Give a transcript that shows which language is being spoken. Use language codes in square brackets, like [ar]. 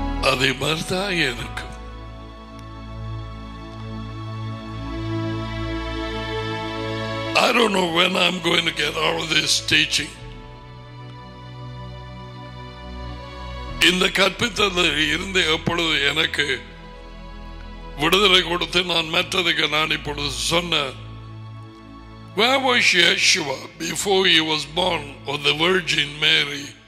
[ta] அதே மாதிரிதான் எனக்கு [en] I don't know when I'm going to get out of this teaching. [ta] இந்த கற்பித்ததில் இருந்து எப்பொழுது எனக்கு விடுதலை கொடுத்து நான் மற்றதுக்கு நான் இப்பொழுது சொன்ன [en] Where was Yeshua before he was born of the Virgin Mary?